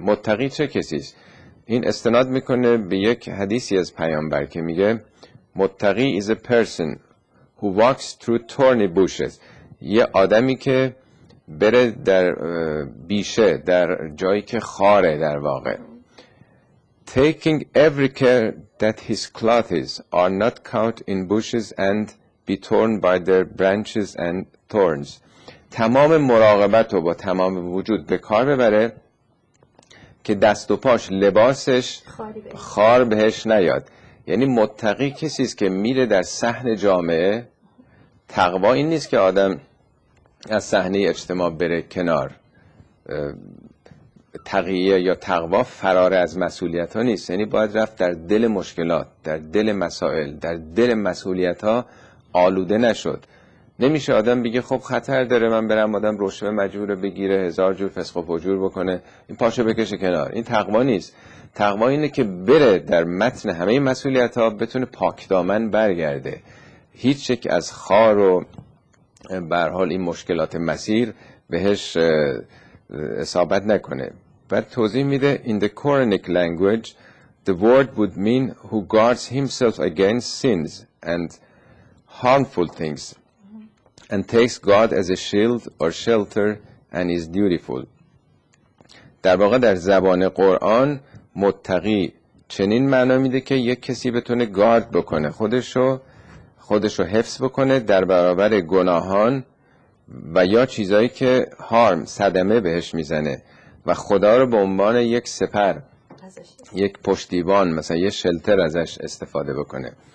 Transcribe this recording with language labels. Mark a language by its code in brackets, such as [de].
[fa] متقی چه کسیست؟ این استناد میکنه به یک حدیثی از پیامبر که میگه متقی [en] is a person who walks through thorny bushes، [fa] یه آدمی که بره در بیشه، در جایی که خاره در واقع. [en] taking every care that his clothes are not caught in bushes and be torn by their branches and thorns، [fa] تمام مراقبت رو با تمام وجود به کار ببره که دست و پاش، لباسش خار بهش نیاد. یعنی متقی کسیست که میره در صحن جامعه. تقوا این نیست که آدم از صحنه اجتماع بره کنار. تقیه یا تقوا فرار از مسئولیت ها نیست، یعنی باید رفت در دل مشکلات، در دل مسائل، در دل مسئولیت ها آلوده نشد. نمیشه آدم بگه خب خطر داره من برم، آدم رشوه مجبور بگیره، هزار جور فسق و فجور بکنه، این پاشو بکشه کنار. این تقوا نیست. تقوا اینه که بره در متن همه مسئولیت ها، بتونه پاکدامن برگرده، هیچ یک از خار و به هر حال این مشکلات مسیر بهش اصابت نکنه. بعد توضیح میده [en] in the Quranic language the word would mean who guards himself against sins and harmful things and takes God as a shield or shelter and is dutiful. [fa] در واقع در زبان قرآن متقی چنین معنا میده که یک کسی بتونه گارد بکنه خودشو حفظ بکنه در برابر گناهان و یا چیزایی که هارم، صدمه بهش میزنه، و خدا رو به عنوان یک سپر، یک پشتیبان، مثلا یک شلتر ازش استفاده بکنه.